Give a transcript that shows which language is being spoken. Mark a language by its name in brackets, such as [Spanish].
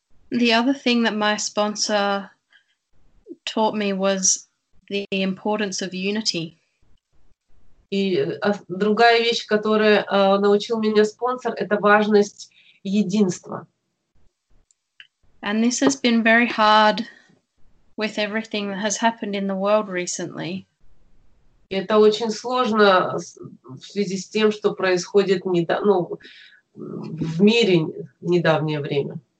[English] The other thing that my sponsor taught me was the importance of unity. [Russian] И другая вещь, которую научил меня спонсор, это важность единства. [English] And this has been very hard with everything that has happened in the world recently. [Russian] Это очень сложно в связи с тем, что происходит недавно, ну, в мире недавнее время.